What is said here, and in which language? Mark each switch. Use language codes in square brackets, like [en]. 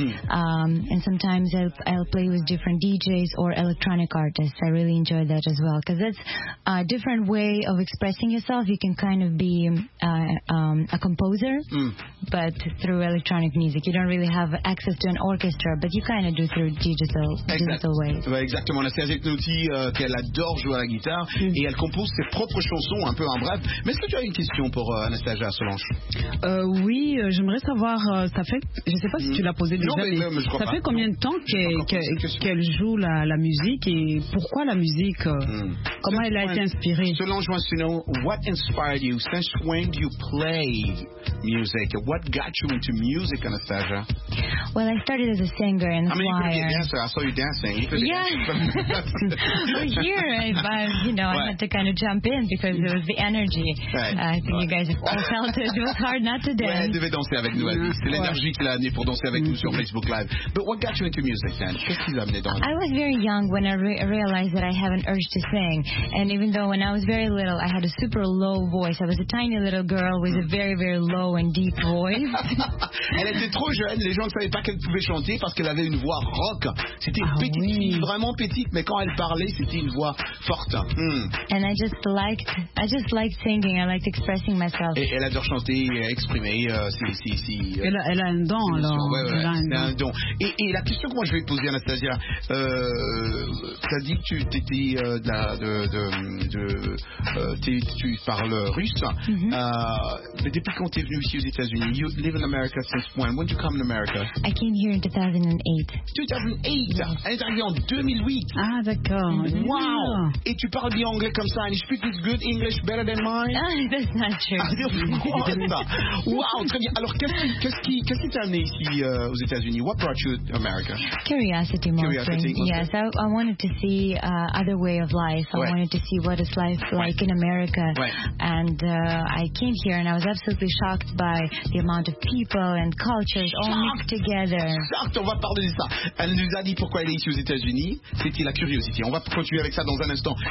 [en] And sometimes I'll play with different DJs or electronic artists. I really enjoy that as well because that's a different way of expressing yourself. You can kind of be a composer, but through electronic music. You don't really have access to an orchestra, but you kind of do through digital way. [fr] Bah exactement, Anastasia Knotty, qu'elle adore jouer à la guitare, et elle compose ses propres chansons, un peu en bref. Mais est-ce que tu as une question pour Anastasia Solange? Oui, j'aimerais savoir, ça fait, je ne sais pas si tu l'as posé déjà, mais ça fait combien de temps qu'elle joue la musique, et pourquoi la musique? Comment elle a été inspirée? [en] Solange wants to know, what inspired you? Since when do you play music? What got you into music, Anastasia? Well, I started as a singer in the choir. I mean, you could be a dancer. I saw you dancing. Yeah. Here, I had to kind of jump in because it was the energy. Right. I think you guys have all felt it. It was hard not to dance. [fr] Ouais, elle devait danser avec nous, Alice. C'est l'énergie qu'elle a amenée pour danser avec nous sur Facebook Live. [en] But what got you into music then? [fr] Qu'est-ce qui l'a amenée dans? [en] I was very young when I realized that I have an urge to sing. And even though when I was very little, I had a super low voice. I was a tiny little girl with a very, very low and deep voice. [fr] Elle était trop jeune. Les gens ne savaient pas qu'elle pouvait chanter parce qu'elle avait une voix rock. C'était vraiment petite, mais quand elle parlait, c'était une voix forte. [en] And I just liked singing. I liked expressing myself. [fr] Et elle adore chanter et exprimer. Elle a un don, alors. Elle a un don. Et la question que moi je vais poser, Anastasia, tu as dit que tu étais tu parles russe. Mais depuis quand tu es venu ici aux États-Unis? [en] You live in America since when? When did you come to America? I came here in 2008. [fr] 2008? Elle est arrivée en 2008. Ah, d'accord. [en] Wow! Yeah. [fr] Et tu parles bien anglais comme ça? [en] And you speak this good English better than mine? That's not true. [fr] Wow! Très bien. Alors, qu'est-ce qui t'a amené ici aux États-Unis? [en] What brought you to America? Curiosity, [fr] mon frère. [en] Yes, I wanted to see other way of life. I wanted to see what is life like in America. And I came here and I was absolutely shocked by the amount of people and cultures all mixed together. [fr] Shocked, on va parler de ça. Elle nous a dit pourquoi elle est ici aux États-Unis. C'était la curiosité. On va continuer avec ça dans un instant.